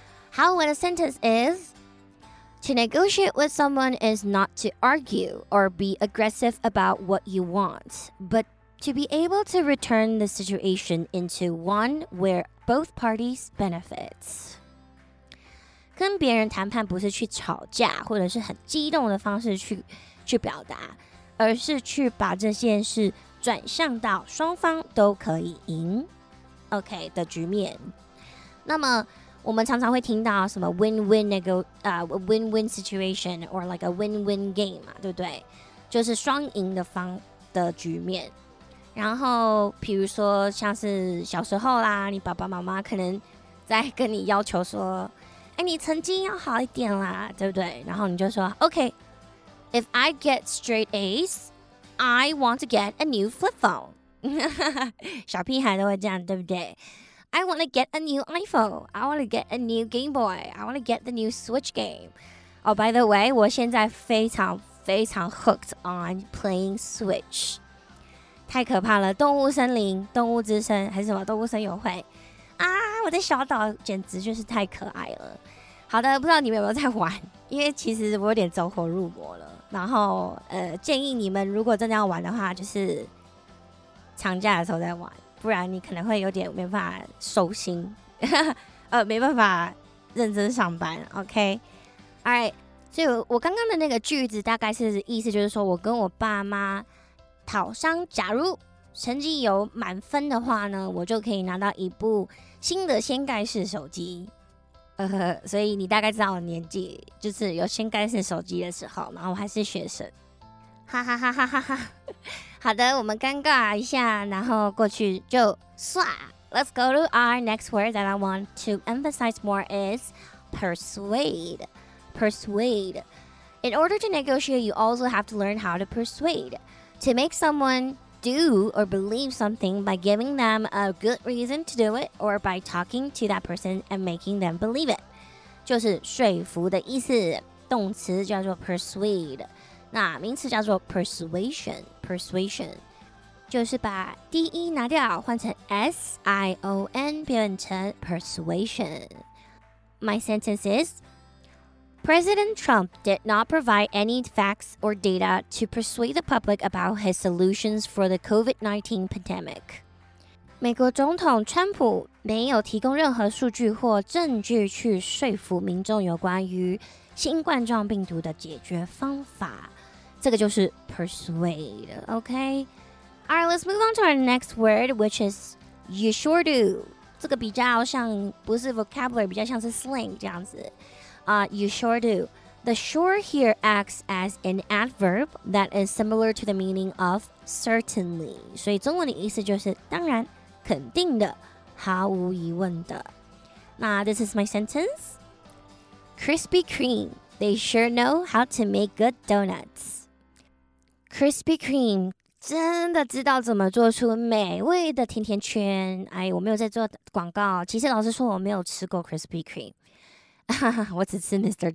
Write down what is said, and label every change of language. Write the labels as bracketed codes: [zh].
[en] How when a sentence is, to negotiate with someone is not to argue or be aggressive about what you want, but to be able to return the situation into one where both parties benefit. [zh] 跟别人谈判不是去吵架或者是很激动的方式 去表达，而是去把这件事转向到双方都可以赢 OK 的局面。那么我们常常会听到什么 [en] win-win situation or like a win-win game [zh] 嘛，对不对？就是双赢的方的局面。然后比如说像是小时候啦，你爸爸妈妈可能在跟你要求说，哎，你成绩要好一点啦，对不对？然后你就说 [en] OK， if I get straight A's I want to get a new flip phone [zh] 小屁孩都会这样，对不对？ [en] I want to get a new iPhone. I want to get a new Game Boy. I want to get the new Switch game. Oh, by the way, [zh] 我现在非常非常 [en] hooked on playing Switch. [zh] 太可怕了，动物森林、动物之声还是什么动物森友会啊！我的小岛简直就是太可爱了。好的，不知道你们有没有在玩？因为其实我有点走火入魔了。然后建议你们如果真的要玩的话，就是长假的时候再玩。不然你可能会有点没办法收心没办法认真上班 [en] OK Alright [zh] 所以我刚刚的那个句子大概是意思就是说我跟我爸妈讨商，假如成绩有满分的话呢，我就可以拿到一部新的掀盖式手机。所以你大概知道我年纪，就是有掀盖式手机的时候，然后我还是学生。哈哈哈哈哈哈。好的，我们尴尬一下，然后过去就算。 [en] Let's go to our next word that I want to emphasize more is persuade. Persuade. In order to negotiate, you also have to learn how to persuade. To make someone do or believe something by giving them a good reason to do it or by talking to that person and making them believe it. [zh] 就是说服的意思，动词叫做 persuade。那名词叫做 persuasion, persuasion 就是把 D-E 拿掉换成 S-I-O-N 变成 persuasion. [en] My sentence is President Trump did not provide any facts or data to persuade the public about his solutions for the COVID-19 pandemic. [zh] 美国总统川普没有提供任何数据或证据去说服民众有关于新冠状病毒的解决方法。这个就是 persuade, okay? [en] Alright, let's move on to our next word, which is you sure do. [zh] 这个比较像不是 vocabulary, 比较像是 slang 这样子。 [en] You sure do. The sure here acts as an adverb that is similar to the meaning of certainly. [zh] 所以中文的意思就是当然、肯定的、毫无疑问的。那 [en] this is my sentence. Krispy Kreme, they sure know how to make good donuts. [zh] Krispy Kreme 真的知道怎么做出美味的甜甜圈。哎，我没有在做广告，其实老实说我没有吃过 Krispy Kreme 我只吃 Mr.